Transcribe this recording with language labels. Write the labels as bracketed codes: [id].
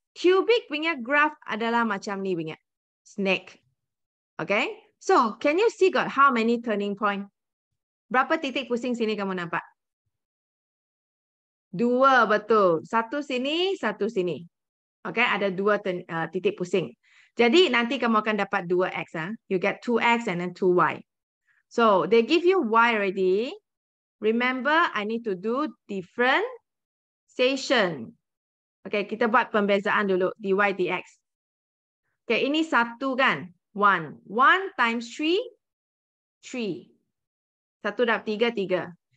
[ms] Cubic punya graph adalah macam ni punya. Snake. Okay? [en] So, can you see got how many turning point? [ms] Berapa titik pusing sini kamu nampak? Dua, betul. Satu sini, satu sini. Okay, ada dua titik pusing. Jadi, nanti kamu akan dapat dua X. Huh? [en] You get two X and then two Y. So, they give you Y already. Remember, I need to do differentiation. [ms] Okay, kita buat pembezaan dulu. Dy, dx. Okay, ini satu kan? One. One times three, three. Satu dapat tiga, tiga.